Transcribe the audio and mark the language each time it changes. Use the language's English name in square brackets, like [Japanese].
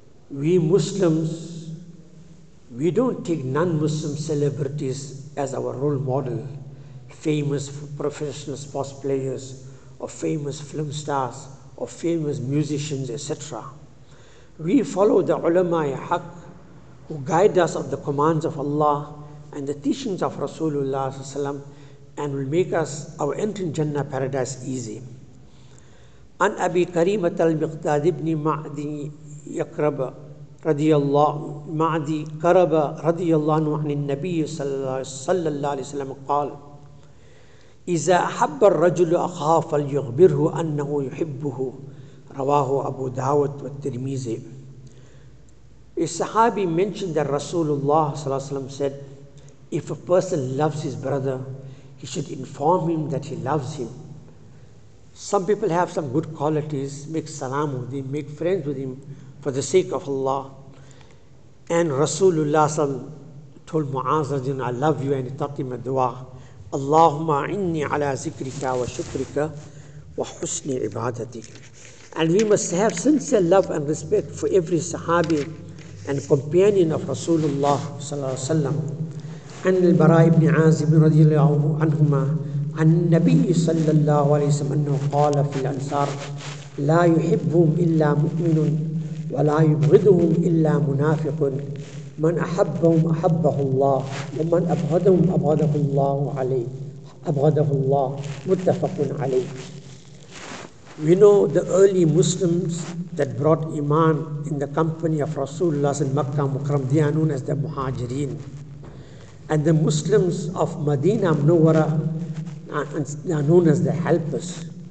[English] We Muslims, we don't take non-Muslim celebrities as our role model, famous professional sports players, or famous film stars, or famous musicians, etc. We follow the ulama-i haq, who guide us of the commands of Allah and the teachings of Rasulullah ﷺ, and will make us our entering Jannah paradise easy. [Arabic] An Abi Karimah al-Miqdad ibn Ma'di Yakraba رضي الله معدي كرب رضي الله عنه عن النبي صلى الله عليه وسلم قال إذا أحب الرجل أخاه فليخبره أنه يحبه رواه أبو داود والترمذي. [English] A Sahabi mentioned that Rasulullah [Arabic] صلى الله عليه وسلم [English] said, if a person loves his brother, he should inform him that he loves him. Some people have some good qualities, make salam with him, make friends with him, for the sake of Allah. And Rasulullah told Mu'az, I love you, and he taught him a dua. [Arabic] Allahumma inni ala zikrika wa shukrika wa husni ibadati. [English] And we must have sincere love and respect for every sahabi and companion of Rasulullah [Arabic] sallallahu alayhi wa sallam. [English] And al-Bara ibn Azib [Arabic] radiyallahu anhumah, عن النبي صلى الله عليه وسلم أنه قال في الأنصار: لا يحبهم إلا مؤمن ولا يبغضهم إلا منافق، من أحبهم أحبه الله ومن أبغضهم أبغضه الله عليه أبغضه الله. متفق عليه. [English] We know the early Muslims that brought Iman in the company of Rasulullah in Makkah Mukram, they are known as the Muhajireen. And the Muslims of Medina Munawwara are known as the helpers.